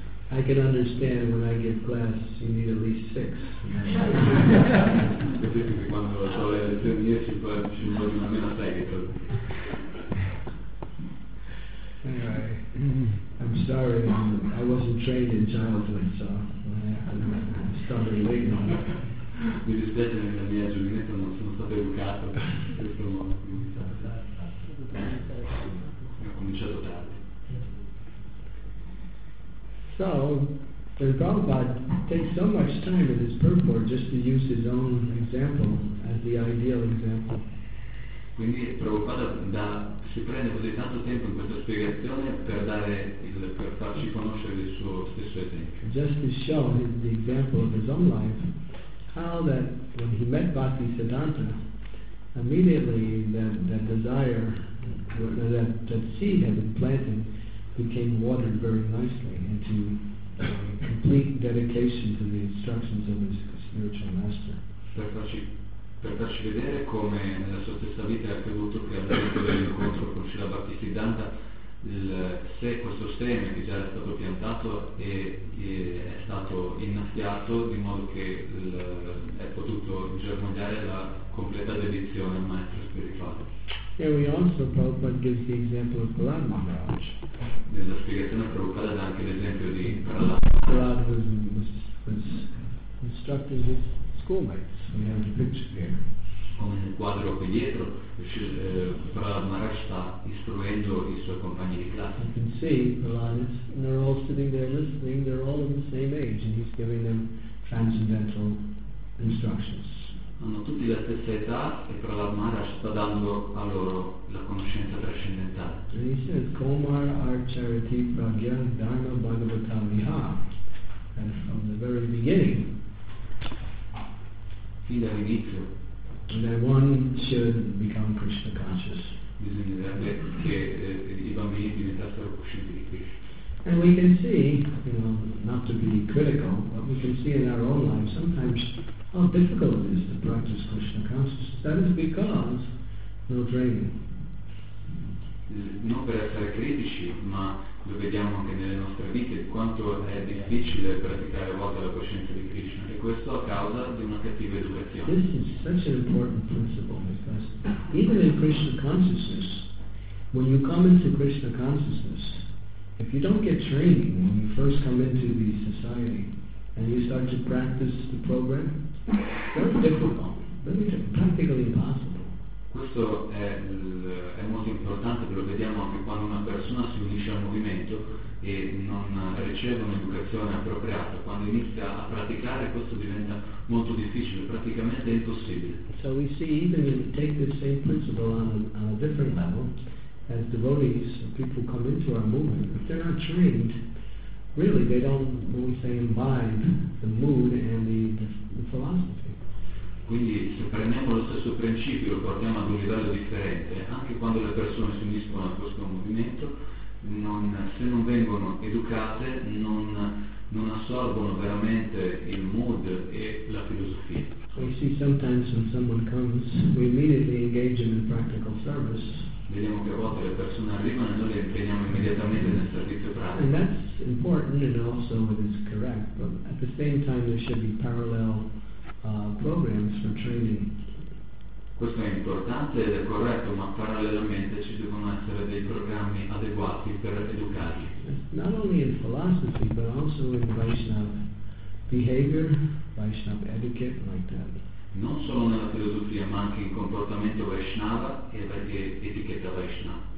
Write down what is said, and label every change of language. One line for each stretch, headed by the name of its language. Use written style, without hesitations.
English: I can understand when I get glass you need at least 6.
Italian: Quando ho le lezioni 10 poi ci vuole almeno 6 che tolgo.
English: Anyway, I'm sorry, I wasn't trained in childhood, so I'm stubborn late on it.
Italian: Mi dispiace, nella mia giovinezza non sono stato educato in questo modo. Ho cominciato tardi.
English: So, Prabhupada takes so much time in his purport just to use his own example as the ideal example.
Italian: Quindi Prabhupada si prende così tanto tempo in questa spiegazione per farci conoscere il suo stesso esempio.
English: Just to show the example of his own life, how that when he met Bhakti Siddhanta, immediately that desire, that seed had been planted, became watered very nicely into complete dedication to the instructions of his spiritual master.
Italian: Per farci vedere come nella sua stessa vita è accaduto che al momento dell'incontro con Srila Bhakti Siddhanta, questo seme che già era stato piantato è stato innaffiato di modo che è potuto germogliare la completa dedizione al maestro spirituale.
English: Here we also, Prabhupada gives the example of Prahlad Maharaj.
Italian: Nella spiegazione Prabhupada dà anche l'esempio di
English: Prahlad. Prahlad was instructed his schoolmates. We have the picture here.
Italian: Come nel quadro qui dietro, Prahlad Maharaj sta istruendo i suoi compagni di classe.
English: You can see Prahlad is, and they're all sitting there listening, they're all in the same age, and he's giving them transcendental instructions.
Italian: Hanno tutti la stessa età e Prahlad Maharaj sta dando a loro la conoscenza trascendentale.
English: And he says,
Sanskrit: Komar Archariti Pragya Dharma Bhagavata Viha.
English: And from the very beginning,
Italian: fin dall'inizio,
English: that one should become Krishna conscious.
Italian: Bisognerebbe che i bambini diventassero coscienti di Krishna.
English: And we can see, you know, not to be critical, but we can see in our own lives sometimes how difficult it is to practice Krishna consciousness. That is because no training.
Italian: Non per essere critici, ma lo vediamo anche nelle nostre vite, quanto è difficile praticare a volte la coscienza di Krishna, e questo a causa di una cattiva educazione.
English: This is such an important principle, because even in Krishna consciousness, when you come into Krishna consciousness, if you don't get training when you first come into the society and you start to practice the program, very difficult, very practically impossible.
Italian: Questo è molto importante, lo vediamo anche quando una persona si unisce al movimento e non riceve un'educazione appropriata. Quando inizia a praticare, questo diventa molto difficile, praticamente impossibile.
English: So we see, even if you take the same principle on a different level, as devotees, people come into our movement, if they're not trained, really they don't, what we say, imbibe the mood and the philosophy.
Italian: Quindi se prendiamo lo stesso principio, lo portiamo ad un livello differente, anche quando le persone si uniscono a questo movimento, se non vengono educate, non assorbono veramente il mood e la filosofia.
English: We see sometimes when someone comes, we immediately engage them in practical service.
Italian: Vediamo che a volte le persone arrivano e noi le impegniamo immediatamente nel servizio pratico.
English: And that's important, and also it is correct, but at the same time there should be parallel programs for training.
Italian: Questo è importante ed è corretto, ma parallelamente ci devono essere dei programmi adeguati per educarli.
English: Not only in philosophy, but also in Vaishnava behavior, Vaishnava etiquette, like that.
Italian: Non solo nella filosofia, ma anche in comportamento Vaishnava e etichetta Vaishnava.